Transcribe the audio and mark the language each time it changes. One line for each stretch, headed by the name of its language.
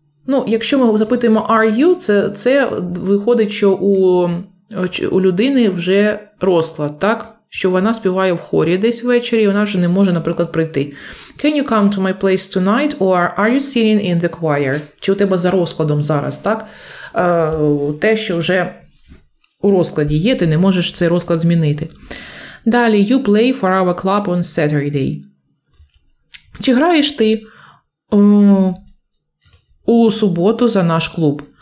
Ukrainian: Ну, якщо ми запитуємо are you, це виходить, що у людини вже розклад, так? Що вона співає в хорі десь ввечері, і вона вже не може, наприклад, прийти.
English: Can you come to my place tonight? Or are you singing in the choir?
Ukrainian: Чи у тебе за розкладом зараз, так? Те, що вже у розкладі є, ти не можеш цей розклад змінити.
English: Далі, you play for our club on Saturday.
Ukrainian: Чи граєш ти у суботу за наш клуб?